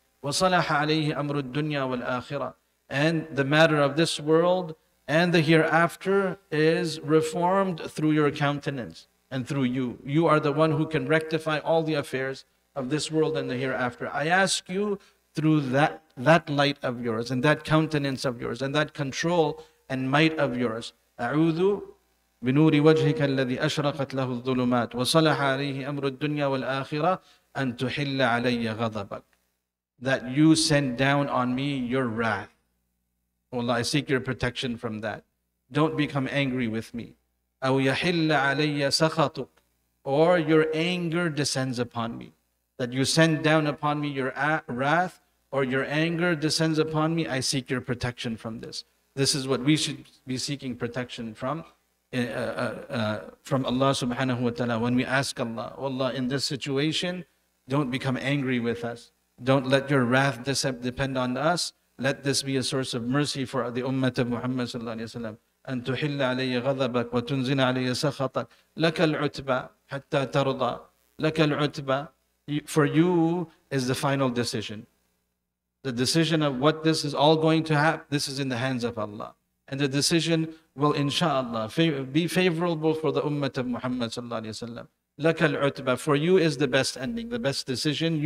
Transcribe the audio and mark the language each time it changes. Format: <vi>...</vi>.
<ar>وَصَلَحَ عَلَيْهِ أَمْرُ الدُّنْيَا وَالْآخِرَةِ,</ar> <en>and the matter of this world and the hereafter is reformed through your countenance and through you. You are the one who can rectify all the affairs of this world and the hereafter. I ask you through that light of yours and that countenance of yours and that control and might of yours.</en> <ar>أعوذ بنور وجهك الذي أشرقت له الظلمات وصلح عليه أمر الدنيا والآخرة أن تحل علي غضبك.</ar> <en>That you send down on me your wrath. Oh Allah, I seek your protection from that. Don't become angry with me.</en> <ar>أو يحل علي سخطك,</ar> <en>or your anger descends upon me. That you send down upon me your wrath or your anger descends upon me, I seek your protection from this. This is what we should be seeking protection from Allah subhanahu wa ta'ala. When we ask Allah, oh Allah, in this situation, don't become angry with us. Don't let your wrath depend on us. Let this be a source of mercy for the ummah of Muhammad sallallahu alayhi wa sallam.</en> <ar>أن تحل علي غضبك وتنزل علي سخطك لك العتبة حتى ترضى لك العتبة.</ar> <en>For you is the final decision. The decision of what this is all going to happen, this is in the hands of Allah. And the decision will, inshallah, be favorable for the ummah of Muhammad sallallahu alayhi wa sallam.</en> <ar>لَكَ الْعُتْبَةِ,</ar> <en>for you is the best ending, the best decision.</en>